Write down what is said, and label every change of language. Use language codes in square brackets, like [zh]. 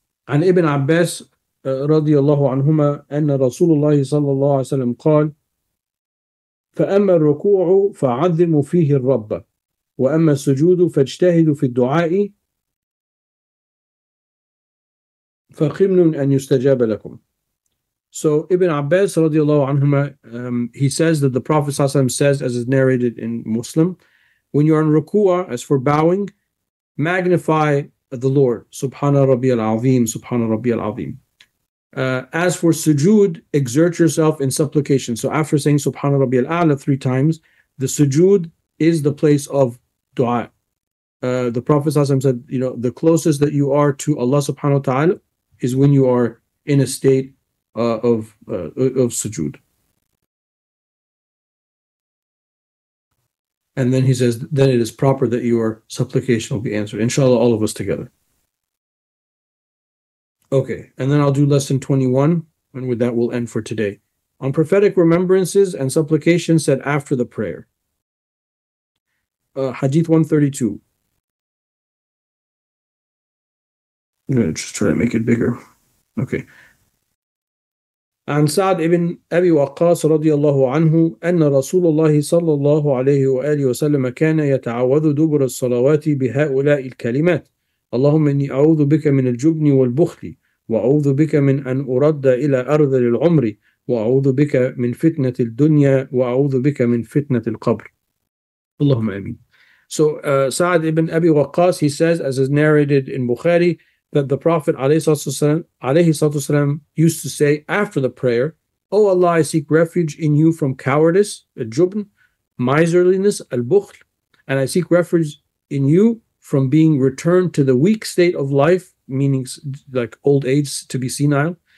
[ar] An Ibn Abbas رضي الله عنهما أن رسول الله صلى الله عليه وسلم قال فأما الركوع فعظموا فيه الرب وأما السجود فاجتهدوا في الدعاء فخمن أن يستجاب لكم. [en] So Ibn Abbas [ar] رضي الله عنهما, [en] he says that the Prophet [ar] صلى الله عليه وسلم [en] says, as is narrated in Muslim, when you are in ruku', as for bowing, magnify the Lord, [ar] Subhana Rabbi al-Azim, Subhana Rabbi al-Azim. [en] As for sujood, exert yourself in supplication. So after saying [ar] Subhana Rabbi al-A'la [en] three times, the sujood is the place of dua. The Prophet ﷺ said, you know, the closest that you are to Allah subhanahu wa ta'ala is when you are in a state of sujood. And then he says, then it is proper that your supplication will be answered. Inshallah, all of us together. Okay, and then I'll do lesson 21, and with that we'll end for today. On prophetic remembrances and supplication said after the prayer. Hadith 132. I'm going to just try to make it bigger. Okay. [ar] عن سعد ابن أبي وقاص رضي الله عنه أن رسول الله صلى الله عليه وآله وسلم كان يتعوذ دبر الصلوات بهؤلاء الكلمات: اللهم إني أعوذ بك من الجبن والبخل، وأعوذ بك من أن أرد إلى أرض العمر، وأعوذ بك من فتنة الدنيا، وأعوذ بك من فتنة القبر. اللهم آمين. [en] So سعد ابن أبي وقاص, he says, as is narrated in Bukhari, that the Prophet [ar] alayhi salatu wasalam [en] used to say after the prayer, O Allah, I seek refuge in you from cowardice, al-jubn, miserliness, al-bukhl, and I seek refuge in you from being returned to the weak state of life, meaning like old age, to be senile.